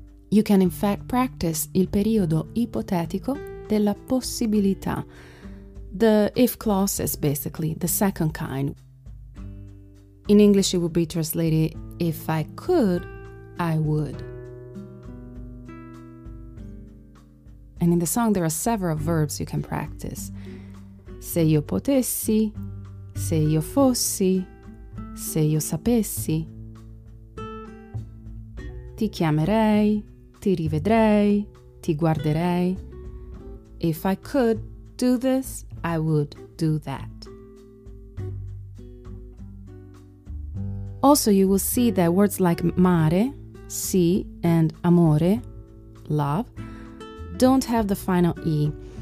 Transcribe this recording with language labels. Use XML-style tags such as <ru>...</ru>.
<en>You can in fact practice</en> <it>il periodo ipotetico della possibilità,</it> <en>the if clauses basically, the second kind. In English it would be translated, if I could, I would. And in the song there are several verbs you can practice.</en> <it>Se io potessi, se io fossi, se io sapessi, ti chiamerei. Ti rivedrei, ti guarderei.</it> <en>If I could do this, I would do that. Also, you will see that words like mare, sea, and amore, love, don't have the final E.</en>